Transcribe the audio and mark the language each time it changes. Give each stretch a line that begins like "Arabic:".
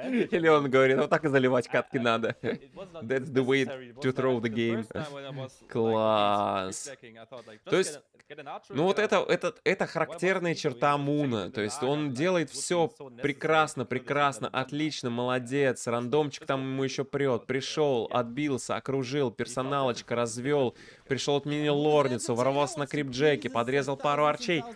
Russian: Или он говорит, ну так и заливать катки надо.
English: That's the way to throw the game.
Russian: Класс. То есть, ну вот это характерная черта Муна. То есть он делает все прекрасно, прекрасно, отлично, молодец. Рандомчик там ему еще прет. Пришел, отбился, окружил, персоналочка развел. Пришел от мини-лорницу, ворвался на крипджеки, подрезал пару арчей.